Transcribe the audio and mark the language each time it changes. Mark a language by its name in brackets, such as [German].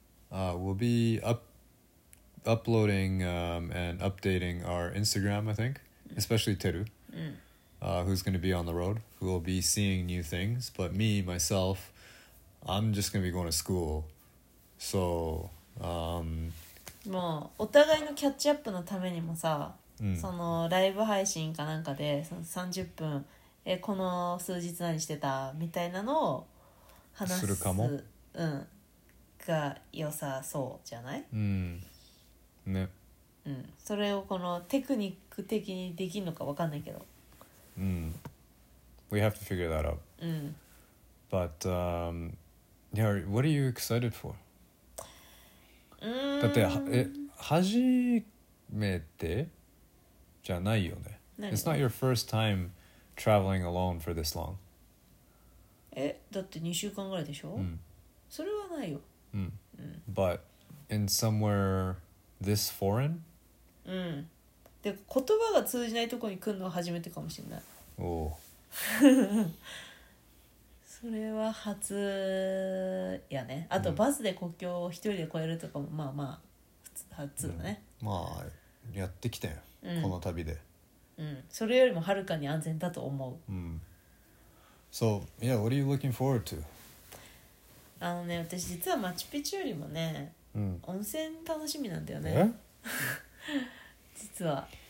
[English] We'll be uploading and updating our Instagram, I think. Especially Teru, who's going to be on the road. Who will be seeing new things. But me, myself, I'm just going to be going to school. So, [Japanese] もうお互いのキャッチアップのためにもさ、うん、そのライブ配信かなんかでその30分え、この数日何してたみたいなのを話 するかも、うん、が良さそうじゃない、うん、ね、うん、それをこのテクニック的にできるのか分かんないけど、 [English] うん、We have to figure that out、 [Japanese] うん、 [English] But、yeah, what are you excited for? [Japanese] だってえ初めてじゃないよね。 [English] It's not your first time traveling alone for this long. [Japanese] え、だって2週間ぐらいでしょ、うん、それはないよ、うんうん、 [English] But in somewhere this foreign? [Japanese] うん、で言葉が通じないとこに来るのは初めてかもしれない。おお。それは初やね。あとバスで国境を一人で越えるとかも、うん、まあまあ普通初だね、うん、まあやってきたよ、うん、この旅で、うん、それよりもはるかに安全だと思う、 [English] うん、So yeah, what are you looking forward to? [Japanese] あのね、私実はマチュピチュよりもね、うん、温泉楽しみなんだよね実は